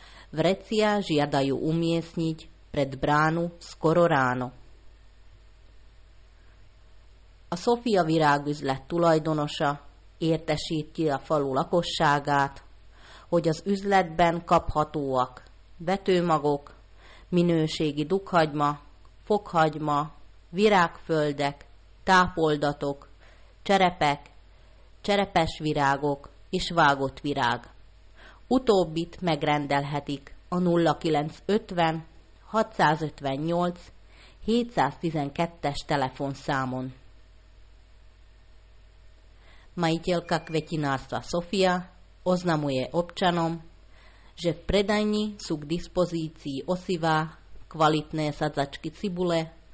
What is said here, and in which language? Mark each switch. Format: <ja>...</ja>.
<sk>Vrecia žiadajú umiestniť pred bránu skoro ráno.</sk> <hu>A Sofia virágüzlet tulajdonosa értesíti a falu lakosságát, hogy az üzletben kaphatóak vetőmagok, minőségi dukhagyma, fokhagyma, virágföldek, tápoldatok, cserepek, cserepes virágok és vágott virág. Utóbbit megrendelhetik a 0950 658 712-es telefonszámon.</hu> <sk>Majiteľka kvetinárstva Sofia oznamuje občanom, že v predajni sú k dispozícii osivá, kvalitné sadzačky cibule,</sk>